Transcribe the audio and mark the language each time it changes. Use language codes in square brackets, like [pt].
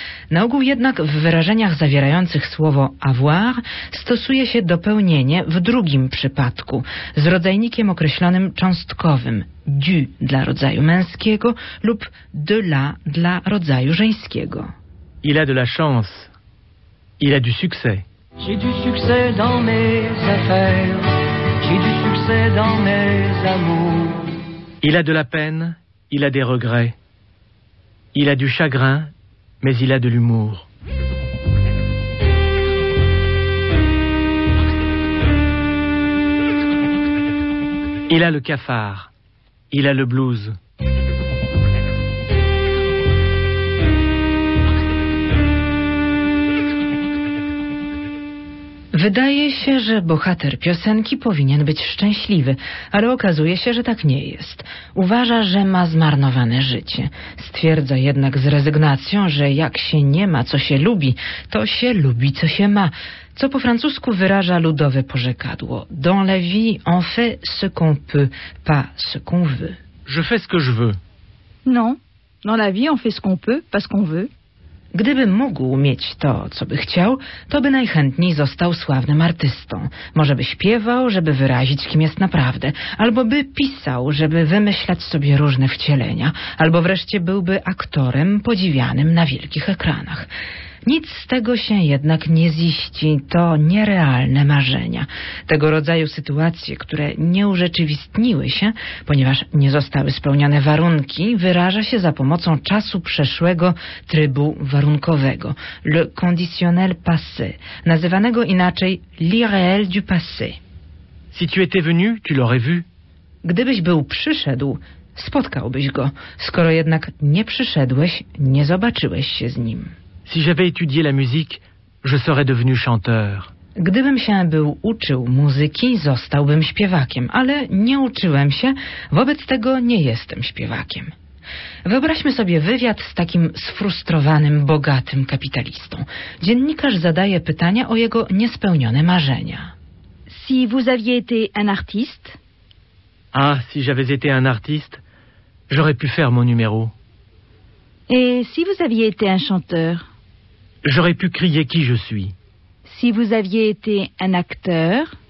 [pl] Na ogół jednak w wyrażeniach zawierających słowo avoir stosuje się dopełnienie w drugim przypadku z rodzajnikiem określonym cząstkowym du dla rodzaju męskiego lub de la dla rodzaju żeńskiego. [fr] Il a de la chance. Il a du succès. J'ai du succès dans mes affaires. J'ai du succès dans mes amours. Il a de la peine. Il a des regrets. Il a du chagrin, mais il a de l'humour. Il a le cafard. Il a le blues. [pl] Wydaje się, że bohater piosenki powinien być szczęśliwy, ale okazuje się, że tak nie jest. Uważa, że ma zmarnowane życie. Stwierdza jednak z rezygnacją, że jak się nie ma, co się lubi, to się lubi, co się ma. Co po francusku wyraża ludowe porzekadło. [fr] Dans la vie, on fait ce qu'on peut, pas ce qu'on veut. Je fais ce que je veux. Non, dans la vie, on fait ce qu'on peut, pas ce qu'on veut. [pl] Gdyby mógł mieć to, co by chciał, to by najchętniej został sławnym artystą. Może by śpiewał, żeby wyrazić, kim jest naprawdę. Albo by pisał, żeby wymyślać sobie różne wcielenia. Albo wreszcie byłby aktorem podziwianym na wielkich ekranach. Nic z tego się jednak nie ziści. To nierealne marzenia. Tego rodzaju sytuacje, które nie urzeczywistniły się, ponieważ nie zostały spełnione warunki, wyraża się za pomocą czasu przeszłego trybu warunkowego. [fr] Le conditionnel passé, [pl] nazywanego inaczej [fr] l'irréel du passé. Si tu étais venu, tu l'aurais vu. [pl] Gdybyś był przyszedł, spotkałbyś go. Skoro jednak nie przyszedłeś, nie zobaczyłeś się z nim. [fr] Si j'avais étudié la musique, je serais devenu chanteur. [pl] Gdybym się był uczył muzyki, zostałbym śpiewakiem, ale nie uczyłem się, wobec tego nie jestem śpiewakiem. Wyobraźmy sobie wywiad z takim sfrustrowanym, bogatym kapitalistą. Dziennikarz zadaje pytania o jego niespełnione marzenia. [fr] Si vous aviez été un artiste? Ah, si j'avais été un artiste, j'aurais pu faire mon numéro. Et si vous aviez été un chanteur? J'aurais pu crier qui je suis. Si vous aviez été un acteur?